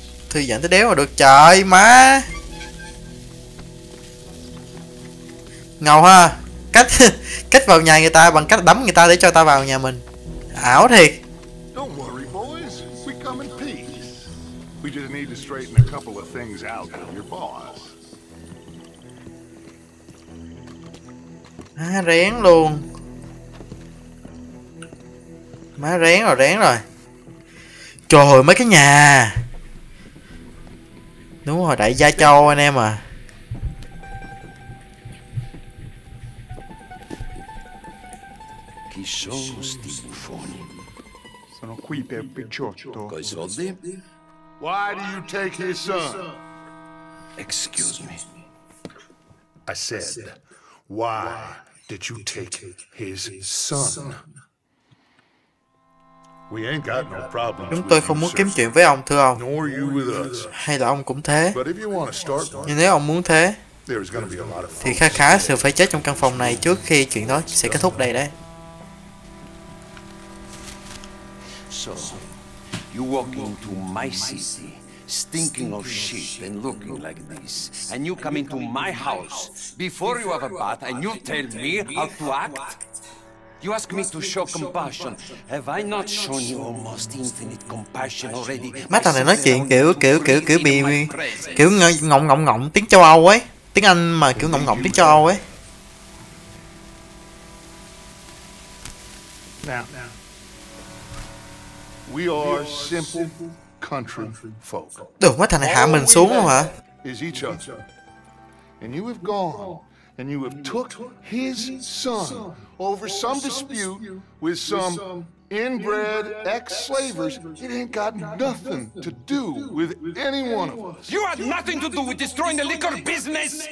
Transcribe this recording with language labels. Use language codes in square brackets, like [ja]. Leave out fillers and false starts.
[vi] Thư giãn tới đéo mà được trời má. Ngầu ha. Cách cách vào nhà người ta bằng cách đấm người ta để cho ta vào nhà mình. Ảo thiệt. [en] Don't worry boys, we come in peace. We just need to straighten a couple of things out with your boss. [vi] Má rén luôn. Má rén rồi. Trời ơi mấy cái nhà. Đúng rồi, đại gia châu anh em à. [it] Chi sono sti buffoni? Sono qui per picciotto. Coi soldi? [en] Why do you take his son? Excuse me. I said, why did you take his son? We ain't got no problems. [vi] Chúng tôi không muốn kiếm chuyện với ông, thưa ông. Hay là ông cũng thế. Nhưng nếu ông muốn thế thì khá sự phải chết trong căn phòng này trước khi chuyện đó sẽ kết thúc đây đấy. [en] So, you walk into my city, stinking of shit and looking like this, and you come into my house before you have a bath and you tell me how to act? You ask me to show compassion. Have I not shown you almost infinite compassion already? [vi] Má thằng này nói chuyện kiểu bi bi, kiểu ngọng tiếng châu Âu ấy, tiếng Anh mà kiểu ngọng tiếng châu Âu ấy. [en] Now, we are simple country folk. [vi] Được, má thằng này hạ mình xuống luôn hả? [en] Is each other. And you have gone, and you have took his son. Over some dispute with some inbred ex-slavers, it ain't got nothing to do with any one of us. You had nothing to do with destroying the liquor business!